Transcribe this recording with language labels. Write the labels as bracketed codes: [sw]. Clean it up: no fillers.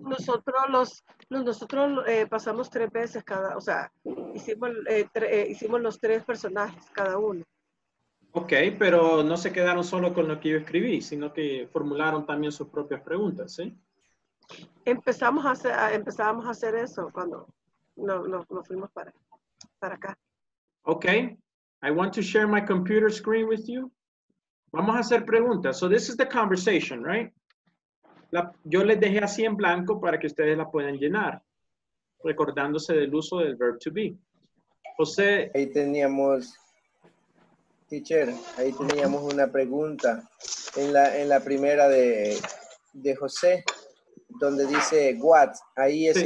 [es] Nosotros pasamos tres veces cada, o sea, hicimos los tres personajes cada uno. Ok, pero no se quedaron solo con lo que yo escribí, sino que formularon también sus propias preguntas, ¿sí? Empezamos a hacer eso cuando nos fuimos para acá. [en] Ok, I want to share my computer screen with you. [es] Vamos a hacer preguntas. [en] So this is the conversation, right? [es] Yo les dejé así en blanco para que ustedes la puedan llenar, recordándose del uso del verb to be. José. Ahí teníamos... Teacher, ahí teníamos una pregunta en la primera de José, donde dice, what? Ahí ese sí.